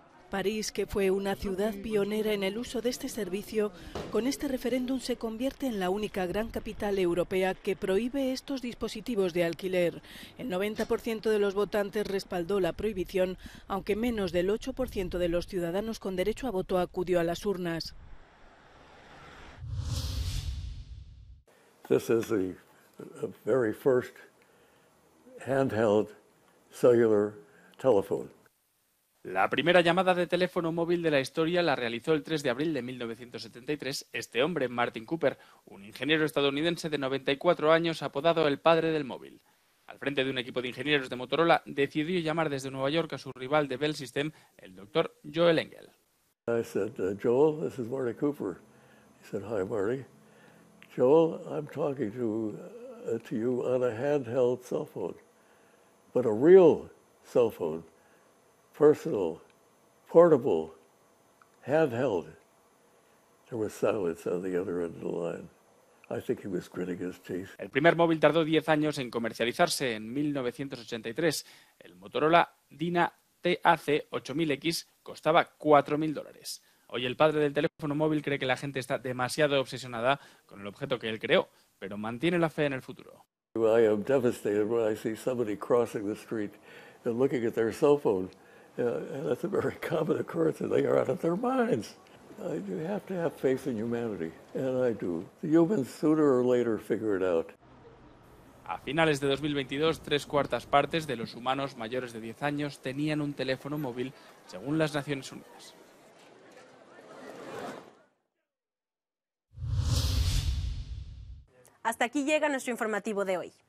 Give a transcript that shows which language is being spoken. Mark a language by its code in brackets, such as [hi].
[es] París, que fue una ciudad pionera en el uso de este servicio, con este referéndum se convierte en la única gran capital europea que prohíbe estos dispositivos de alquiler. El 90% de los votantes respaldó la prohibición, aunque menos del 8% de los ciudadanos con derecho a voto acudió a las urnas. [en] This is the very first handheld cellular telephone. [es] La primera llamada de teléfono móvil de la historia la realizó el 3 de abril de 1973 este hombre, Martin Cooper, un ingeniero estadounidense de 94 años apodado el padre del móvil. Al frente de un equipo de ingenieros de Motorola, decidió llamar desde Nueva York a su rival de Bell System, el doctor Joel Engel. [en] I said, Joel, this is Martin Cooper. He said, hi, Marty. Joel, I'm talking to you on a handheld cell phone, but a real cell phone. Personal, portable, handheld. There was silence on the other end of the line. I think he was gritting his teeth. [es] El primer móvil tardó 10 años en comercializarse en 1983. El Motorola Dyna TAC-8000X costaba $4,000. Hoy el padre del teléfono móvil cree que la gente está demasiado obsesionada con el objeto que él creó, pero mantiene la fe en el futuro. [en] I am devastated when I see somebody crossing the street and looking at their cell phone. And that's a very common occurrence, and they are out of their minds. You have to have faith in humanity, and I do. The humans sooner or later figure it out. [es] A finales de 2022, tres cuartas partes de los humanos mayores de 10 años tenían un teléfono móvil, según las Naciones Unidas. Hasta aquí llega nuestro informativo de hoy.